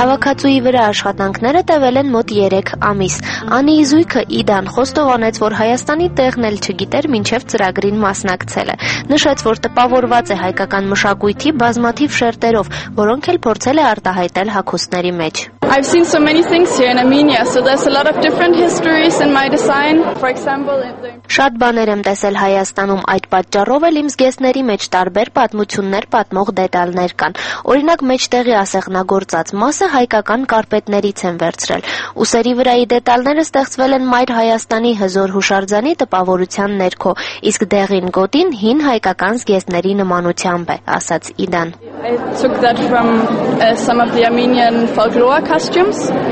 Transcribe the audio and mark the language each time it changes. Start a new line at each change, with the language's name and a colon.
Armenian: Հավաքածուի վրա աշխատանքները տևել են մոտ 3 ամիս։ Անիի զույգը Իդան խոստովանեց, որ Հայաստանի տեղն էլ չգիտեր, մինչև ծրագրին մասնակցելը։ Նշեց, որ տպավորված է հայկական մշակույթի բազմաթիվ շերտերով, որոնք էլ փորձել է արտահայտել հագուստների մեջ։
English: I've seen so many things here in Armenia, so there's a lot of different histories in my design. For example, in the...
Armenian: Շատ բաներ եմ տեսել Հայաստանում, այդ պատճառով էլ իմ զգեստների մեջ տարբեր պատմություններ պատմող դետալներ կան։ Օրինակ, մեջտեղի ասեղնագործած մասը հայկական կարպետներից են վերցրել։ Ուսերի վրայի դետալները ստեղծվել են Մայր Հայաստանի հզոր հուշարձանի տպավորության ներքո, իսկ դեղին գոտին հին հայկական զգեստների նմանությամբ է, ասաց Իդան։
English: I took that from some of the Armenian folklore costumes.